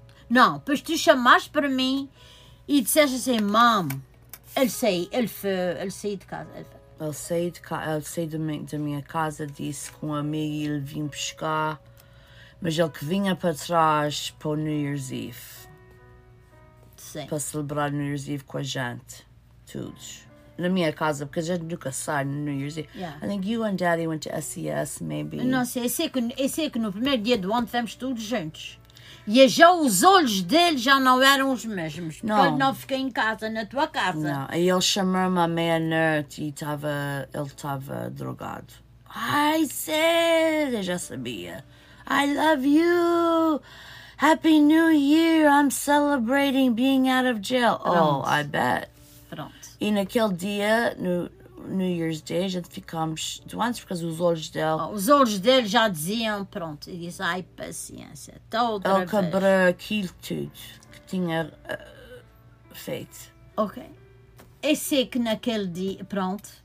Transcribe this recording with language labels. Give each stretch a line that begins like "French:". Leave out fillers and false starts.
Portuguese: Não, depois tu chamaste para mim e disseste assim, mam, ele saiu de casa, disse que um amigo ele vinha pescar, mas ele que vinha para trás para o New Year's Eve. Sim. Para celebrar o New Year's Eve com a gente, todos. Na minha casa, porque a gente nunca sai no New Year's Eve.
English: Yeah. I think you and Daddy went to SES, maybe.
Portuguese: Não sei, eu sei que no primeiro dia do ano fomos todos juntos. E já os olhos dele já não eram os mesmos. Não. Porque ele não fica em casa, na tua casa. Não, e ele chamou-me à meia-noite e ele estava drogado.
English: I said,
Portuguese: eu já sabia.
English: I love you. Happy New Year, I'm celebrating being out of jail.
Portuguese: Pronto.
English: Oh, I bet.
Portuguese: Pronto. E naquele dia, no New Year's Day, a gente ficamos doentes por causa dos olhos dele. Oh, os olhos dele já diziam, pronto, e disse, ai, paciência, toda outra vez. Ele quebrou aquilo tudo que tinha feito. Ok. Eu sei que naquele dia, pronto,